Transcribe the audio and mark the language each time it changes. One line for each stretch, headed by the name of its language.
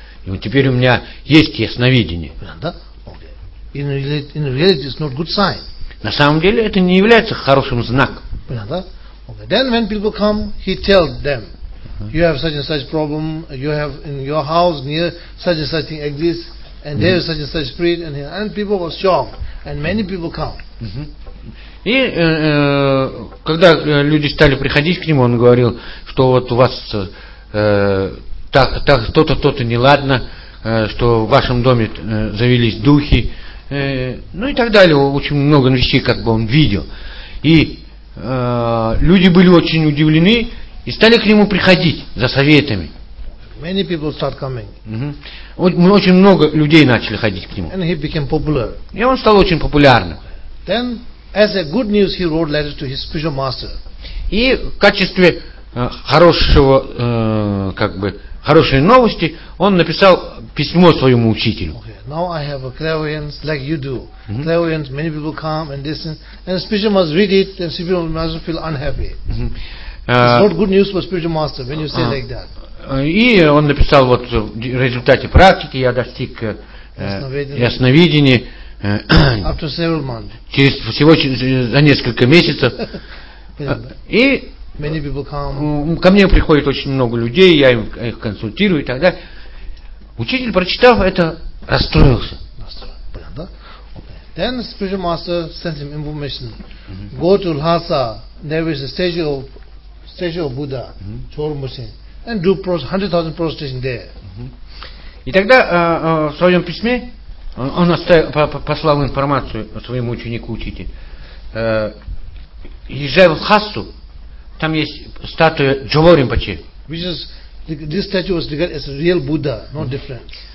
Russian: И вот теперь у меня есть ясновидение.
English: Да? Okay. In reality, it's not good sign.
Russian: На самом деле, это не является хорошим знаком. Да? Okay.
English: Then when people come, he tells them, "You have such and such problem. You have in your house near such and such thing exists, and there is such and such spirit." And people were shocked, and many people come.
Russian: И когда люди стали приходить к нему, он говорил, что вот у вас то-то неладно, что в вашем доме завелись духи, ну и так далее. Очень много вещей как бы он видел. И люди были очень удивлены и стали к нему приходить за советами.
English: Many people start coming.
Russian: Очень много людей начали ходить к нему.
English: And he became popular.
Russian: И он стал очень популярным.
English: Then as a good news, he wrote letter to his spiritual master.
Russian: И в качестве хорошего, хорошей новости, он написал письмо своему учителю.
English: Okay. Now I have a clairvoyance like you do. Clairvoyance, many people come and listen, and spiritual master read it, and spiritual master feel unhappy. It's not good news for spiritual master when you say like that.
Russian: И он написал вот в результате практики я достиг ясновидения.
English: After several months.
Russian: Через всего за несколько месяцев. И
English: many people come.
Russian: Ко мне приходит очень много людей, я их консультирую и так далее. Учитель, прочитав это, расстроился.
English: Then the spiritual master sent him information. Go to Lhasa, there is a statue of Buddha, Chorumbusin, and do 100,000 prostration there.
Russian: И тогда в своем письме он послал информацию своему ученику учителю. Езжай в Лхасу, там есть статуя Джоворимпачи.
English: Which is this statue was regarded as a real Buddha, no different.